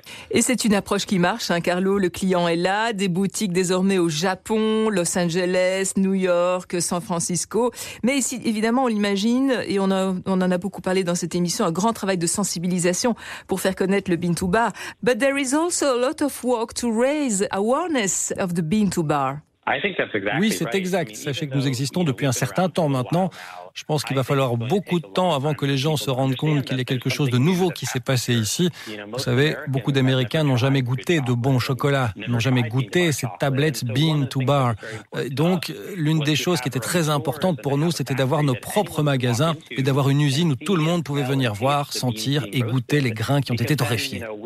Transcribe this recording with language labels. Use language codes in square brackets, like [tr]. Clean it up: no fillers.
[fr] Et c'est une approche qui marche, hein, Carlo. Le client est là, des boutiques désormais au Japon, Los Angeles, New York, San Francisco. Mais ici, évidemment, on l'imagine, et on en a beaucoup parlé dans cette émission, un grand travail de sensibilisation pour faire connaître le bean to bar. [en] But there is also a lot of work to raise awareness of the bean to bar. [fr] Oui, c'est exact. Sachez que nous existons depuis un certain temps maintenant. Je pense qu'il va falloir beaucoup de temps avant que les gens se rendent compte qu'il y a quelque chose de nouveau qui s'est passé ici. Vous savez, beaucoup d'Américains n'ont jamais goûté de bon chocolat, n'ont jamais goûté cette tablette bean to bar. Donc, l'une des choses qui était très importante pour nous, c'était d'avoir nos propres magasins et d'avoir une usine où tout le monde pouvait venir voir, sentir et goûter les grains qui ont été torréfiés.